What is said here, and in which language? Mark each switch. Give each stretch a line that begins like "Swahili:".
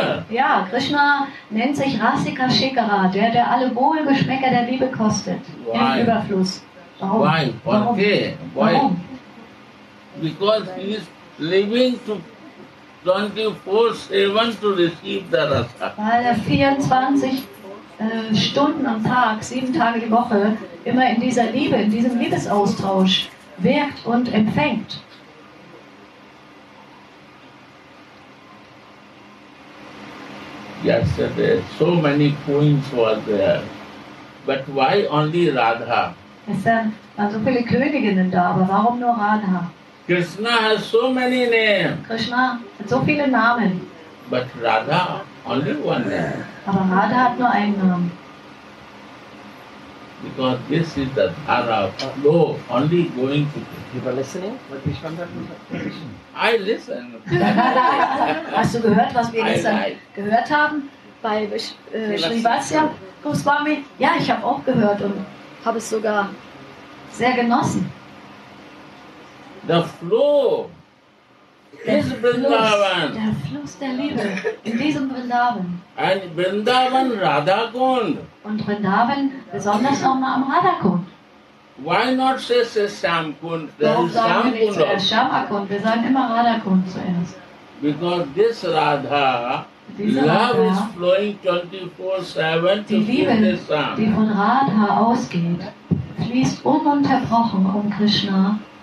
German: Ja, Krishna nennt sich Rasika Shekara, der alle Wohlgeschmäcker der Liebe kostet.
English: Why?
German: Im Überfluss. Warum?
English: Because he is living to 24/7 to receive the rasa.
German: Weil er 24 Stunden am Tag, 7 Tage die Woche, immer in dieser Liebe, in diesem Liebesaustausch wirkt und empfängt.
English: yesterday, so many queens were there. But why only Radha? Krishna has so many names.
German: Krishna hat so viele Namen.
English: But Radha, only one name.
German: Aber Radha hat nur einen Namen.
English: Because this is the dhara of flow, only going to Krishna. You were listening? I listen.
German: Hast du gehört, was wir gestern gehört haben? Bei Srivatsya Goswami? Ja, ich habe auch gehört und habe es sogar sehr genossen.
English: The flow is Vrindavan.
German: Der Fluss der Liebe in diesem Vrindavan.
English: And Vrindavan Radha Kund.
German: Und Vrindavan besonders auch mal am Radha Kund.
English: Why not say Sesham Kund?
German: Warum sagen wir nicht Sesham Kund? Wir sagen immer Radha Kund zuerst.
English: Because this Radha, love is flowing 24/7 to Krishna.
German: Die von Radha ausgeht, fließt ununterbrochen um Krishna.